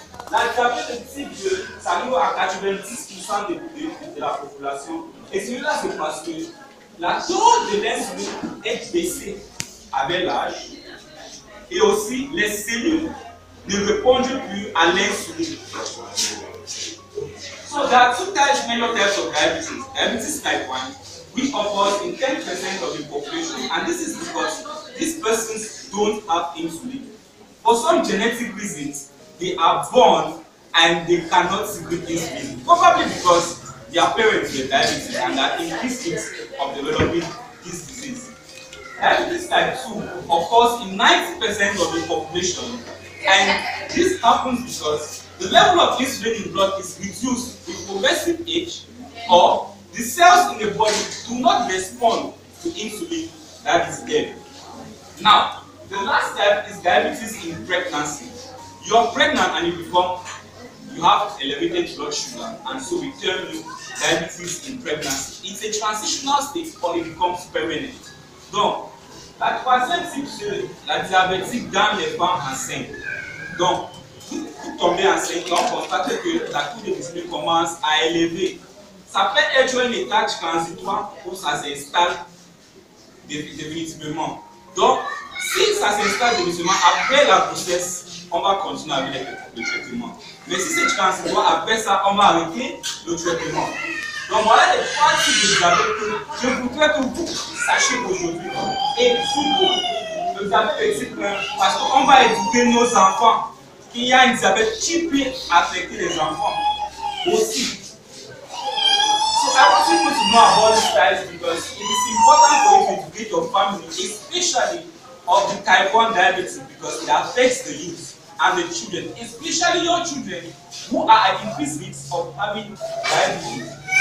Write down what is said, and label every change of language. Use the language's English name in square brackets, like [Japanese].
[French] La diabète de type 2, ça arrive à 90% de la population. Et celui-là, c'est parce que la dose de l'insuline est baissée avec l'âge et aussi les cellules ne répondent plus à l'insuline. [English] So there are two types, many types of diabetes. Diabetes type 1, which occurs in 10% of the population, and this is because these persons don't have insulin. For some genetic reasons, they are born and they cannot secrete insulin. Probably because their parents have diabetes and are increased risk of developing this disease. Diabetes type 2 occurs in 90% of the population, and this happens because the level of insulin in blood is reduced with progressive age, or the cells in the body do not respond to insulin that is given. Now, The last type is diabetes in pregnancy. You are pregnant and you become, you have elevated blood sugar, and so we tell you diabetes in pregnancy. It's a transitional state or it becomes permanent. [French] Donc, la troisième type, la diabétique dans les femmes enceintes. Donc, vous tombez enceinte, là on constate que la courbe de glycémie commence à élever. Ça peut être un état transitoire où ça s'installe définitivement. Donc, si ça s'installe définitivement après la grossesse, on va continuer avec le traitement. Mais si c'est transitoire, après ça, on va arrêter le traitement. Donc, voilà les trois types de diabète que je voudrais que vous sachiez aujourd'hui. Et surtout, le diabète de type 1, parce qu'on va éduquer nos enfants qu'il y a un diabète qui peut affecter les enfants aussi. [English] I want people to know about this diabetes because it is important for you to educate your family, especially of the type 1 diabetes, because it affects the youth and the children, especially your children who are at increased risk of having diabetes.